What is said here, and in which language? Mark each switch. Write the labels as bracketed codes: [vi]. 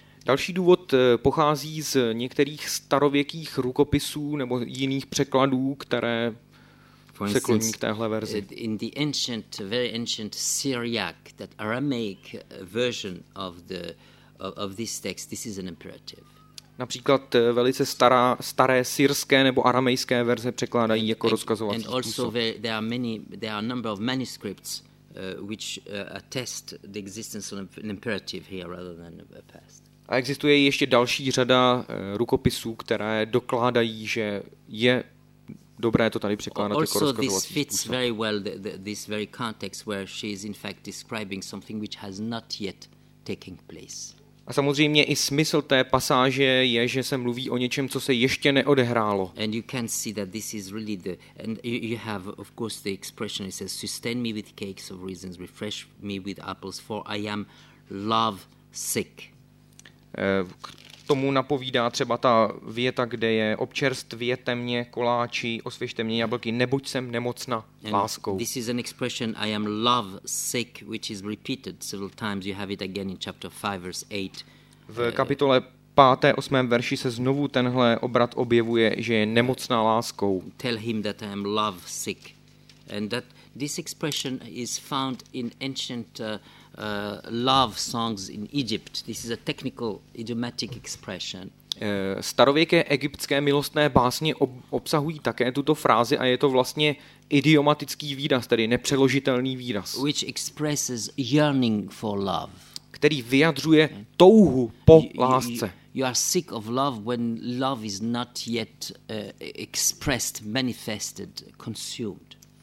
[cs] Další důvod pochází z některých starověkých rukopisů nebo jiných překladů, které se kloní k téhle verzi. [en] In the ancient, very ancient Syriac, that Aramaic version of this text, this is an imperative. [cs] Například velice staré syrské nebo aramejské verze překládají jako rozkazovací způsob. [en] And also there are a number of manuscripts which attest the existence of an imperative here rather than a past. [cs] A existuje ještě další řada rukopisů, které dokládají, že je dobré to tady překládat [en] also [cs] jako rozkazovací způsob. [en] Also this fits very well this very context where she is in fact describing something which has not yet taken place. [cs] A samozřejmě i smysl té pasáže je, že se mluví o něčem, co se ještě neodehrálo. [en] And you can see that this is really the and you have of course the expression it says sustain me with cakes of raisins, refresh me with apples for I am love sick. [cs] K tomu napovídá třeba ta věta, kde je občerstvěte mě koláči, osvěžte mě jablky, neboť jsem nemocna láskou. [en] This is an expression I am love sick, which is repeated several times. You have it again in chapter 5 verse 8. [cs] V kapitole 5. 8. verši se znovu tenhle obrat objevuje, že je nemocná láskou. [en] Tell him that I am love sick. And that this expression is found in ancient love songs in Egypt. This is a technical idiomatic expression. [cs] Starověké egyptské milostné básně obsahují také tuto frázi a je to vlastně idiomatický výraz, tedy nepřeložitelný výraz, [en] which expresses yearning for love, [cs] který vyjadřuje touhu po lásce. [en] You are sick of love when love is not yet expressed, manifested, consumed.